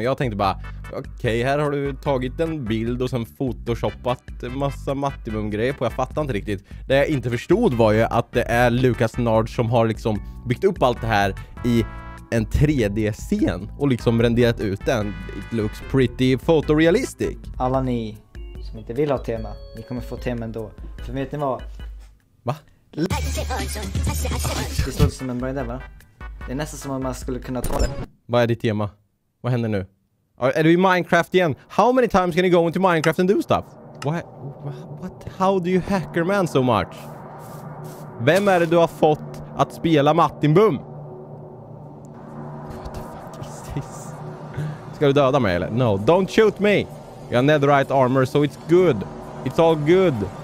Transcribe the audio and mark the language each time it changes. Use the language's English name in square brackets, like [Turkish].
[Swedish] Jag tänkte bara, okej, här har du tagit en bild och sen photoshoppat massa Mattibum-grejer på. Jag fattar inte riktigt. Det jag inte förstod var ju att det är Lucas Nards som har liksom byggt upp allt det här i en 3D-scen och liksom renderat ut den. [English] It looks pretty photorealistic. [Swedish] Alla ni som inte vill ha tema, ni kommer få tema ändå. För vet ni vad? Va? Det står som en bra idé, va? Det är nästan som om man skulle kunna ta det. Vad är ditt tema? Vad händer nu? Är du i Minecraft igen? [English] How many times can you go into Minecraft and do stuff? What? How do you hacker man so much? [Swedish] Vem är det du har fått att spela Martin Boom? [English] What the fuck is this? [Swedish] Ska du döda mig eller? [English] No, don't shoot me. [Swedish] Jag har [English] netherite armor, so it's good. It's all good.